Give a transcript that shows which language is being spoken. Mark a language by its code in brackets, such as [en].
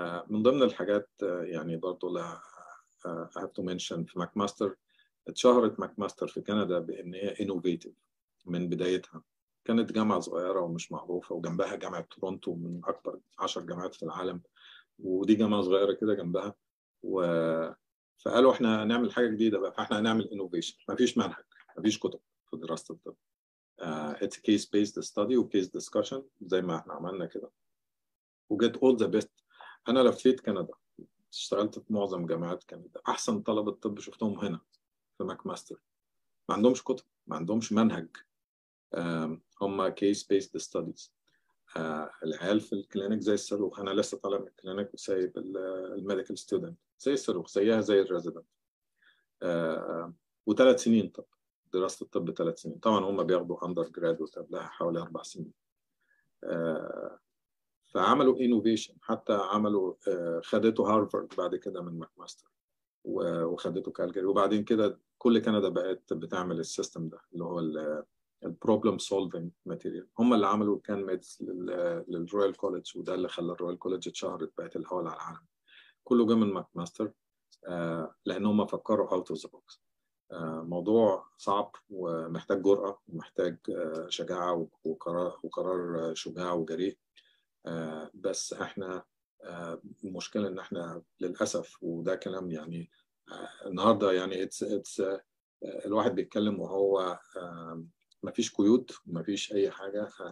[ar] من ضمن الحاجات يعني برضو لا [en] have to mention [ar] في ماكماستر اتشهرت ماكماستر في كندا بان هي انوفيتيف من بدايتها. كانت جامعه صغيره ومش معروفه وجنبها جامعه تورونتو من اكبر 10 جامعات في العالم ودي جامعه صغيره كده جنبها فقالوا احنا هنعمل حاجه جديده بقى فاحنا هنعمل انوفيشن. مفيش منهج مفيش كتب في دراسه الطب. [en] It's a case-based study or case discussion, [ar] زي ما احنا عملنا كده. وجيت [en] all the best. [ar] أنا لفيت كندا. اشتغلت في معظم جامعات كندا. أحسن طلبة طب شفتهم هنا في ماكماستر. ما عندهمش كتب. ما عندهمش منهج. هم [en] case-based studies. [ar] العيال في الكلينيك زي الصاروخ. أنا لسه طالع من الكلينيك وسايب الميديكال ستودنت. زي الصاروخ. زيها زي الريزيدنت. وثلاث سنين طب. دراسة الطب بثلاث سنين. طبعا هم بياخدوا undergrad وتبلها حوالي اربع سنين. فعملوا innovation. حتى عملوا خدته هارفارد بعد كده من ماكماستر. وخدته كالجاري. وبعدين كده كل كندا بقت بتعمل السيستم ده. اللي هو الـ [en] problem solving material. [ar] هم اللي عملوا كان ميدز للرويال كوليدج. وده اللي خلى الرويال كوليدج اتشهرت بقت الاول على العالم. كله جاء من ماكماستر. لان هم فكروا [en] out of the box. [ar] موضوع صعب ومحتاج جرأة ومحتاج شجاعة وقرار شجاع وجريء. بس احنا المشكلة ان احنا للأسف وده كلام يعني النهاردة يعني الواحد بيتكلم وهو ما فيش قيود ما فيش اي حاجة.